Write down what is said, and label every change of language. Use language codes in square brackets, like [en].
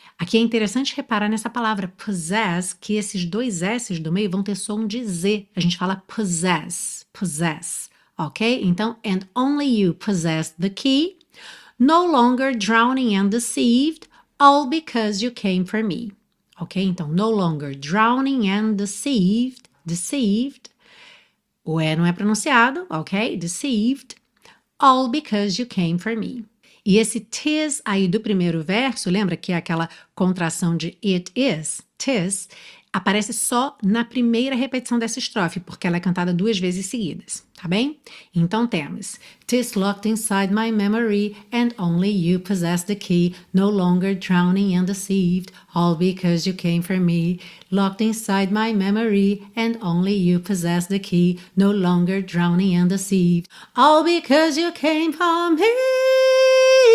[pt] Aqui é interessante reparar nessa palavra possess, que esses dois S do meio vão ter som de Z. A gente fala possess, possess, ok? Então, [en] and only you possess the key, no longer drowning and deceived, all because you came for me. Ok? [pt] Então, [en] no longer drowning and deceived, deceived. [pt] O E não é pronunciado, ok? [en] Deceived. All because you came for me. [pt] E esse tis aí do primeiro verso, lembra que é aquela contração de it is, tis, aparece só na primeira repetição dessa estrofe, porque ela é cantada duas vezes seguidas, tá bem? Então temos, [en] tis locked inside my memory, and only you possess the key, no longer drowning and deceived, all because you came for me. Locked inside my memory, and only you possess the key, no longer drowning and deceived, all because you came for me.